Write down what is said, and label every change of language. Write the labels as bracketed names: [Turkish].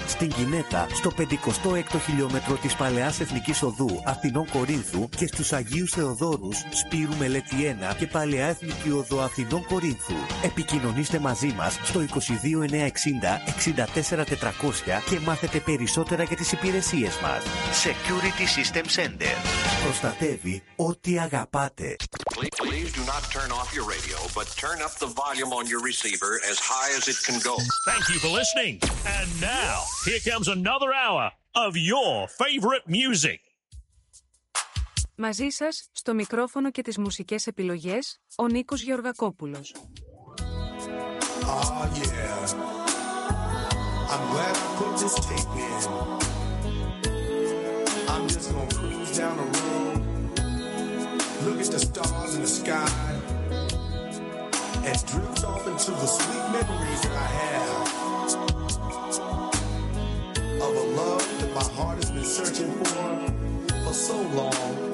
[Greek] Στην Κινέτα, στο 56ο χιλιόμετρο της Παλαιάς Εθνικής Οδού Αθηνών Κορίνθου και στους Αγίους Θεοδόρους, Σπύρου Μελέτη 1 και Παλαιά Εθνική Οδό Αθηνών Κορίνθου. Επικοινωνήστε μαζί μας στο 22960-64400 και μάθετε περισσότερα για τις υπηρεσίες μας. Security System Center. Προστατεύει ό,τι αγαπάτε. [English] Please do not turn off your radio, but turn up the volume on your receiver as high as it can go. Thank you for listening. And now, here comes another hour of your favorite music. [Greek] Μαζί σας, στο μικρόφωνο και τις μουσικές επιλογές, ο Νίκος Γεωργακόπουλος. [English] Oh yeah, I'm glad I put this tape in. I'm just gonna cruise down the road, look at the stars in the sky, and drift off into the sweet memories that I have of a love that my heart has been searching for so long.